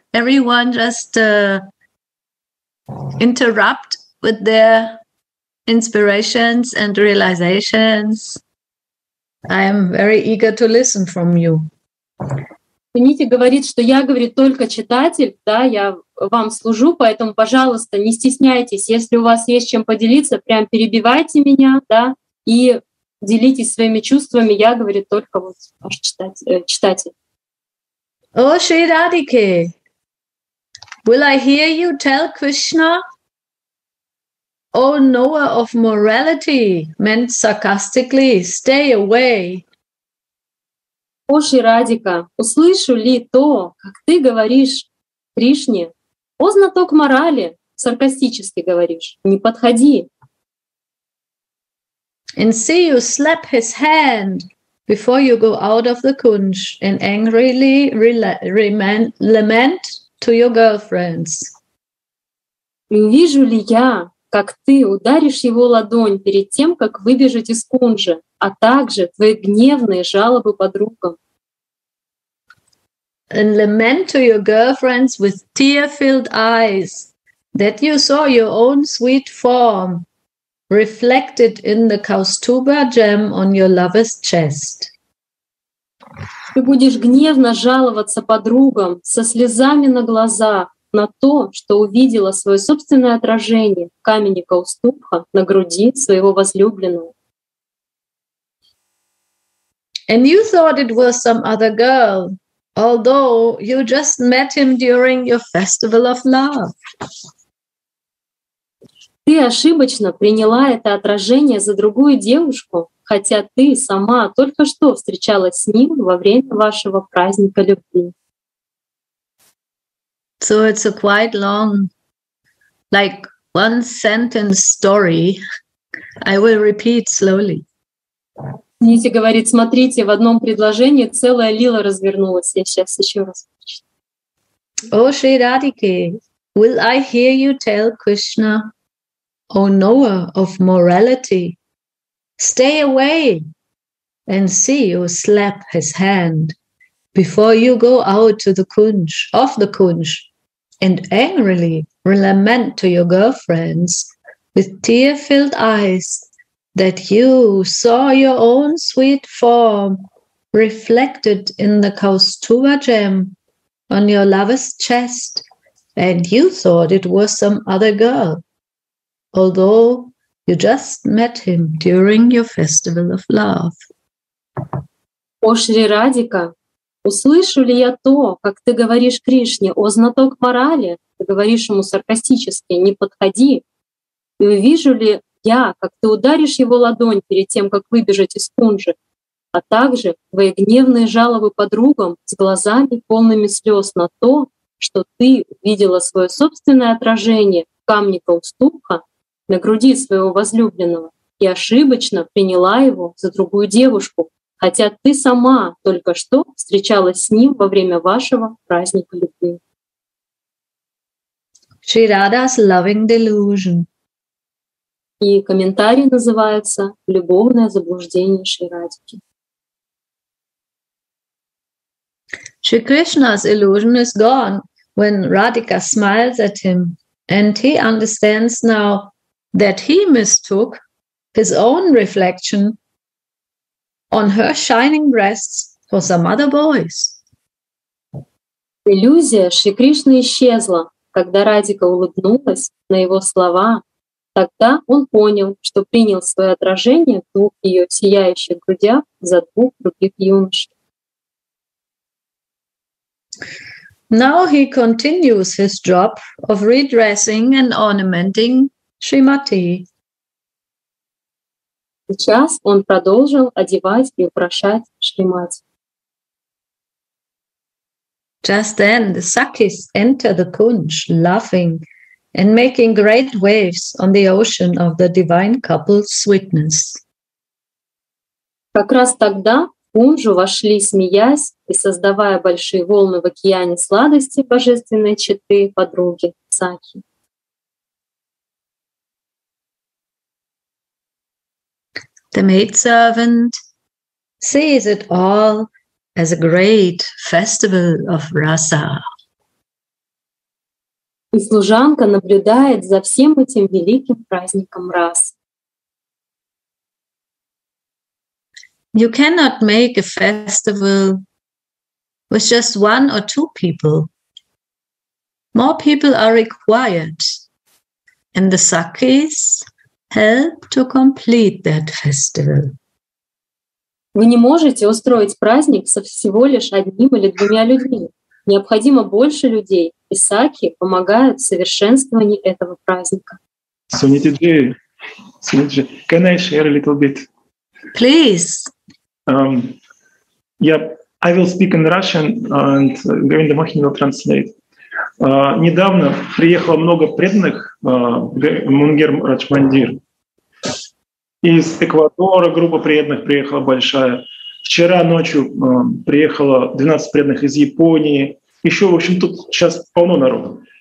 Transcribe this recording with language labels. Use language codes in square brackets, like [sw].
[en] Everyone just interrupt with their inspirations and realizations. I am very eager to listen from you. [ru] Суниди говорит, что я, говорит, только читатель, да, я вам служу, поэтому, пожалуйста, не стесняйтесь. Если у вас есть чем поделиться, прям перебивайте меня, да, и делитесь своими чувствами. Я, говорит, только вот ваш читатель. [en] О, Шри Радике, will I hear you tell Krishna, O knower of morality, meant sarcastically, stay away. [ru] О, Шри Радика, услышу ли то, как ты говоришь Кришне, о знаток морали, саркастически говоришь, не подходи. [en] And see you slap his hand before you go out of the kunj and angrily lament to your girlfriends. [ru] И увижу ли я, как ты ударишь его ладонь перед тем, как выбежать из кунжа, а также твои гневные жалобы подругам. [en] And lament to your girlfriends with tear-filled eyes that you saw your own sweet form reflected in the Kaustubha gem on your lover's chest. [ru] Ты будешь гневно жаловаться подругам со слезами на глазах на то, что увидела свое собственное отражение в камне Каустубха на груди своего возлюбленного. [en] And you thought it was some other girl. Although you just met him during your festival of love. [ru] Ты ошибочно приняла это отражение за другую девушку, хотя ты сама только что встречалась с ним во время вашего праздника любви. [en] So it's a quite long, like one sentence story. I will repeat slowly. [ru] Нити говорит, смотрите, в одном предложении целая лила развернулась. Я сейчас еще раз прочитаю. [en] О, Шри Радике, will I hear you tell Krishna, O knower of morality, stay away and see you slap his hand before you go out to the kunj, of the kunj, and angrily lament to your girlfriends with tear-filled eyes that you saw your own sweet form reflected in the Kaustubha gem on your lover's chest, and you thought it was some other girl, although you just met him during your festival of love. [ru] О, Шри Радика, услышу ли я то, как ты говоришь Кришне, о знаток морали, ты говоришь ему саркастически, не подходи, и увижу ли я, как ты ударишь его ладонь перед тем, как выбежать из кунжи, а также твои гневные жалобы подругам с глазами полными слез на то, что ты увидела свое собственное отражение в камне Каустубха на груди своего возлюбленного и ошибочно приняла его за другую девушку, хотя ты сама только что встречалась с ним во время вашего праздника любви. [en] Shri Radha's loving delusion. [ru] И комментарий называется «Любовное заблуждение Шри Радхи». [en] Shri Krishna's illusion is gone when Radhika smiles at him, and he understands now that he mistook his own reflection on her shining breasts for some other boys. [ru] Иллюзия Шри Кришны исчезла, когда Радика улыбнулась на его слова. Тогда он понял, что принял свое отражение в двух ее сияющих грудях за двух других юношей. [en] Now he continues his job of redressing and ornamenting Shrimati. [ru] Сейчас он продолжил одевать и украшать Шримати. [en] Just then the sakis enter the kunj, laughing and making great waves on the ocean of the divine couple's sweetness. [ru] Как раз тогда в кунжу вошли, смеясь и создавая большие волны в океане сладости божественной четы подруги Сакхи. [en] The maidservant sees it all as a great festival of rasa. [ru] И служанка наблюдает за всем этим великим праздником рас. [en] You cannot make a festival with just one or two people. More people are required, and the sakis help to complete that festival. [ru] Вы не можете устроить праздник со всего лишь одним или двумя людьми. Необходимо больше людей, и саки помогают в совершенствовании этого праздника. [en] Sunitiji, Sunitiji, can I share a little bit? Please. I will speak in Russian, and Govinda Mohini will translate. [ru] Недавно приехало много преданных Мунгер Раджмандир. Из Эквадора группа преданных приехала большая. Вчера ночью приехало 12 преданных из Японии. Еще, в общем, тут сейчас полно народу.